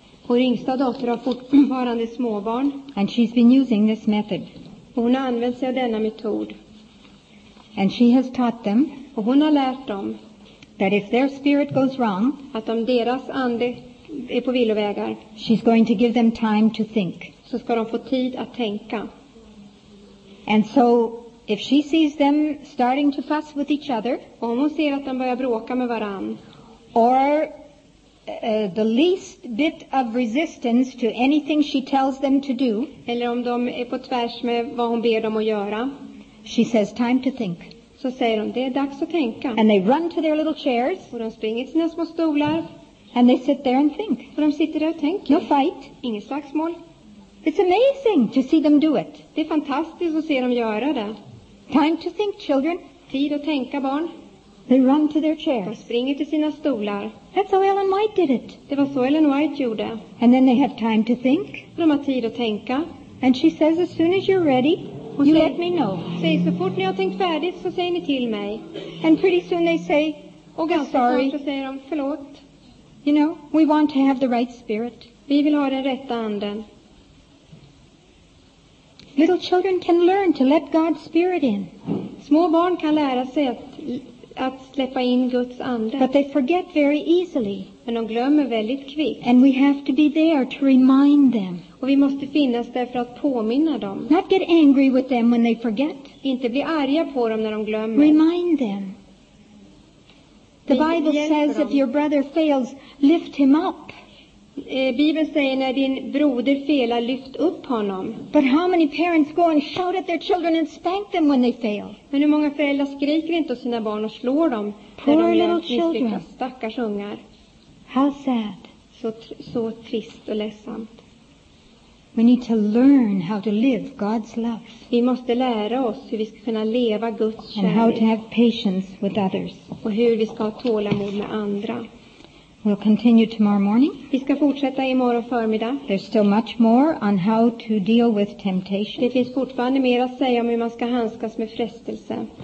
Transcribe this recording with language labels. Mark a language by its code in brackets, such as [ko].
[sv] Vår yngsta dotter har fortfarande småbarn. [en] And she's been using this method. [sv] Och hon har använt sig av denna metod. [en] And she has taught them. [sv] Och hon har lärt dem. [en] That if their spirit goes wrong. [sv] Att om deras ande är på villovägar. [en] She's going to give them time to think. [sv] Så ska de få tid att tänka. [en] And so if she sees them starting to fuss with each other. [sv] Och om hon ser att de börjar bråka med varann. [en] Or the least bit of resistance to anything she tells them to do. [sv] Eller om de är på tvärs med vad hon ber dem att göra. [en] She says time to think. [sv] Så säger hon, det är dags att tänka. [en] And they run to their little chairs. [sv] Och de springer till sina små stolar. [en] And they sit there and think. [sv] Och de sitter där och tänker. [en] No fight. [sv] Inget slagsmål. [en] It's amazing to see them do it. [sv] Det är fantastiskt att se dem göra det. [en] Time to think, children. [sv] Tid att tänka, barn. [en] They run to their chairs. [sv] De springer till sina stolar. [en] That's how Ellen White did it. [sv] Det var så Ellen White gjorde. [en] And then they have time to think. [sv] De har tid att tänka. [en] And she says, as soon as you're ready, [sv] och [en] you [sv] säger, [en] let me know. [sv] Säg så fort ni har tänkt färdigt så säger ni till mig. [en] And pretty soon they say, [sv] och ganska [en] sorry. [sv] Snart så säger de, förlåt. [en] You know, we want to have the right spirit. [sv] Vi vill ha den rätta anden. [en] Little children can learn to let God's spirit in. [sv] Små barn kan lära sig att släppa in Guds ande. [en] But they forget very easily. [sv] Men de glömmer väldigt kvickt. [en] And we have to be there to remind them. [sv] Och vi måste finnas där för att påminna dem. [en] Not get angry with them when they forget. [sv] Inte bli arga på dem när de glömmer. [en] Remind them. The Bible says if your brother fails, lift him up. [sv] Bibeln säger när din broder felar, lyft upp honom. [en] But how many parents go and shout at their children and spank them when they fail? [sv] Men hur många föräldrar skriker inte åt sina barn och slår dem när de gör misslyckas, stackars ungar? [en] How sad. [sv] Så trist och ledsamt. [en] We need to learn how to live God's love. [sv] Vi måste lära oss hur vi ska kunna leva Guds kärlek. [en] And how to have patience with others. [sv] Och hur vi ska ha tålamod med andra. [en] We'll continue tomorrow morning. [sv] Vi ska fortsätta imorgon förmiddag. [en] There's still much more on how to deal with temptation. [sv] Det finns fortfarande mer att säga om hur man ska handskas med frestelse.